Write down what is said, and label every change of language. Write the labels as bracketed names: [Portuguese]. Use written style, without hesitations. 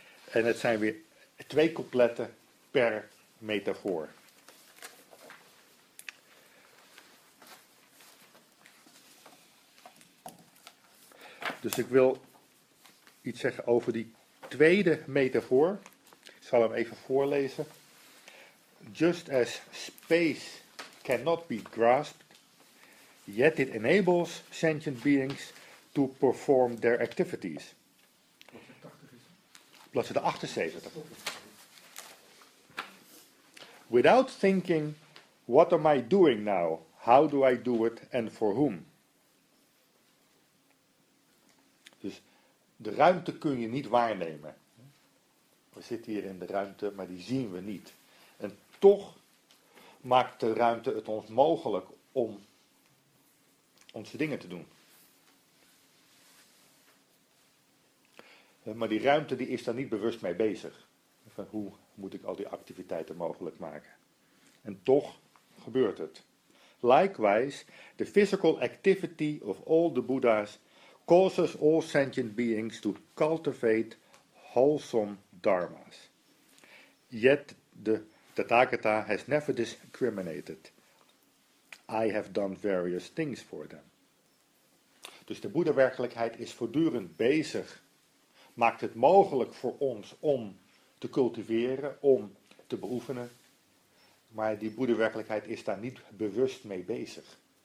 [Dutch] En het zijn weer 2 coupletten per metafoor. Dus ik wil iets zeggen over die tweede metafoor. Ik zal hem even voorlezen. [English] Just as space cannot be grasped, yet it enables sentient beings to perform their activities. [Dutch] Bladzijde 78. [English] Without thinking, what am I doing now? How do I do it and for whom? [Dutch] Dus de ruimte kun je niet waarnemen. We zitten hier in de ruimte, maar die zien we niet. En toch maakt de ruimte het ons mogelijk om onze dingen te doen. Maar die ruimte die is daar niet bewust mee bezig. Van hoe moet ik al die activiteiten mogelijk maken? En toch gebeurt het. [English] Likewise, the physical activity of all the Buddhas causes all sentient beings to cultivate wholesome dharmas. Yet the Tathagata has never discriminated. I have done various things for them. [Dutch] Dus de boeddha-werkelijkheid is voortdurend bezig, maakt het mogelijk voor ons om te cultiveren, om te beoefenen. Maar die boeddha-werkelijkheid is daar niet bewust mee bezig.